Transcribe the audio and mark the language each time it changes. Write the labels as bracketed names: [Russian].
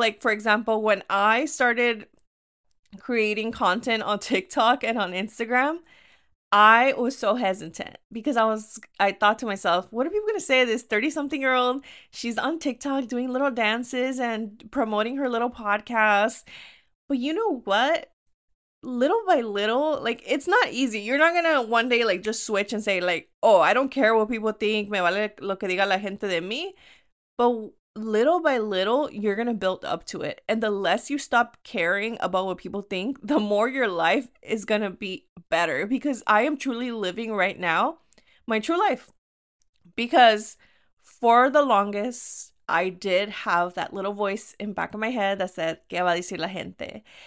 [English] Like, for example, when I started creating content on TikTok and on Instagram, I was so hesitant because I thought to myself, what are people going to say to this 30-something-year-old? She's on TikTok doing little dances and promoting her little podcast. But you know what? Little by little, like, it's not easy. You're not going to one day, like, just switch and say, like, oh, I don't care what people think. [Spanish] Me vale lo que diga la gente de mí. [English] But little by little, you're going to build up to it. And the less you stop caring about what people think, the more your life is going to be better. Because I am truly living right now my true life. Because for the longest, I did have that little voice in back of my head that said, [Spanish] ¿qué va a decir la gente?